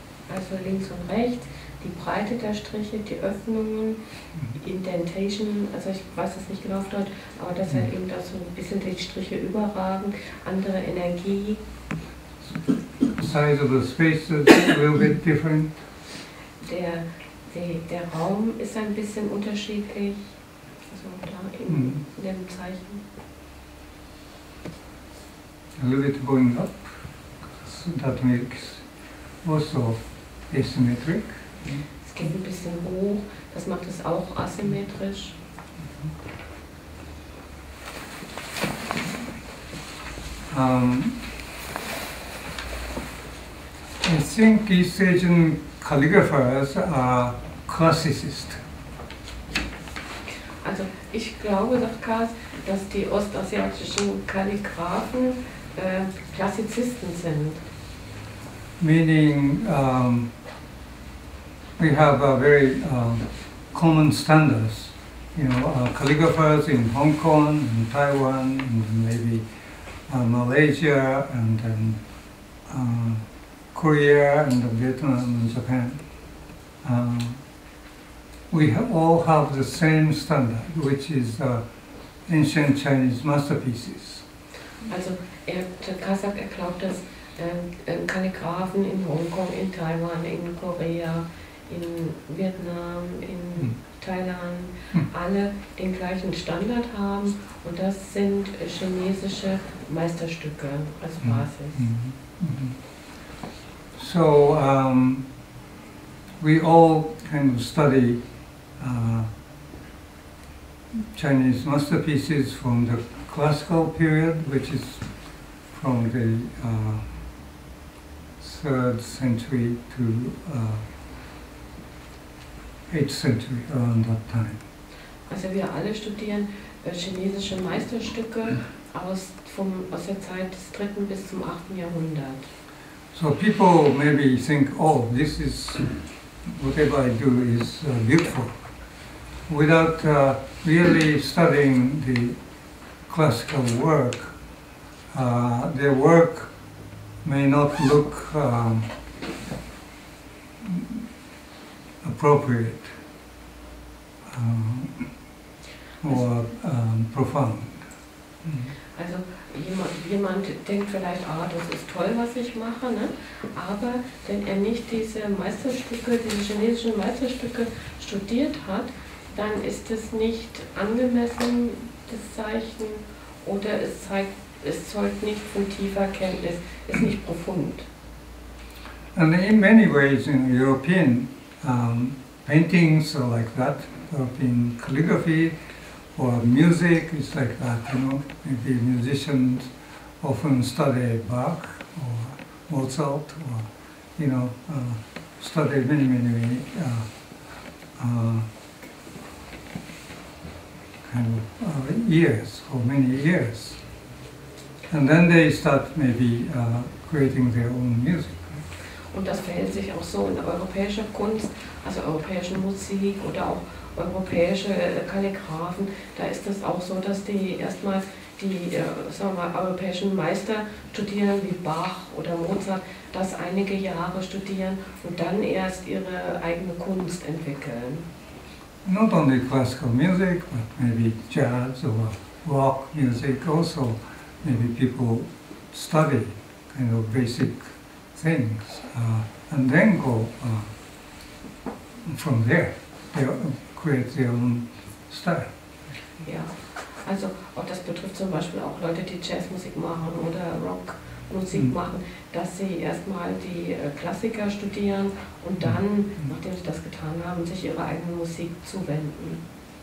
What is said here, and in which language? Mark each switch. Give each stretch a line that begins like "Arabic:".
German: Also links und rechts, die Breite der Striche, die Öffnungen, Indentation, also ich weiß es nicht genau dort, aber dass er eben da so ein bisschen die Striche überragen, andere Energie.
English: Size of the spaces will be different.
German: Der Raum ist ein bisschen unterschiedlich, also da in dem Zeichen.
English: A little bit going up, so that makes also asymmetric.
German: Es geht ein bisschen hoch, das macht es auch asymmetrisch.
English: I think East Asian calligraphers are classicists.
German: Also ich glaube, sagt Kars, dass die ostasiatischen Kalligraphen Klassizisten sind.
English: Meaning, we have a very common standards. You know, calligraphers in Hong Kong, in Taiwan, and maybe Malaysia, and then Korea, and Vietnam, and Japan. We all have the same standard, which is ancient Chinese masterpieces.
German: Also, Kasak glaubt, dass Kalligraphen in Hongkong, in Taiwan, in Korea, in Vietnam, in Thailand alle den gleichen Standard haben und das sind chinesische Meisterstücke als Basis. Mm-hmm. Mm-hmm.
English: So, we all kind of study Chinese masterpieces from the classical period, which is from the 3rd century to 8th century, around that time.
German: Also wir alle studieren chinesische Meisterstücke aus der Zeit des 3. bis zum 8. Jahrhundert.
English: So people maybe think, oh, this is, whatever I do is beautiful. Without really studying the classical work, their work may not look appropriate or profound.
German: Also jemand denkt vielleicht, ah, das ist toll, was ich mache, ne? Aber wenn er nicht diese chinesischen Meisterstücke studiert hat, dann ist es nicht angemessen, das Zeichen, oder es zeigt, es zeugt nicht von tiefer Kenntnis, ist nicht profund.
English: And in many ways in European paintings are like that, European calligraphy or music is like that, you know. Maybe musicians often study Bach or Mozart or, you know, study many years. And then they start maybe creating their own music.
German: Und das verhält sich auch so in europäischer Kunst, also europäischen Musik oder auch europäische Kalligraphen, da ist das auch so, dass die erstmal die sagen wir, europäischen Meister studieren, wie Bach oder Mozart, das einige Jahre studieren und dann erst ihre eigene Kunst entwickeln.
English: Not only classical music, but maybe jazz or rock music also. Maybe people study kind of basic things and then go from there. They create their own style.
German: Ja, also auch das betrifft zum Beispiel auch Leute, die Jazzmusik machen oder Rockmusik machen, dass sie erstmal die Klassiker studieren und dann, nachdem sie das getan haben, sich ihrer eigenen Musik zuwenden.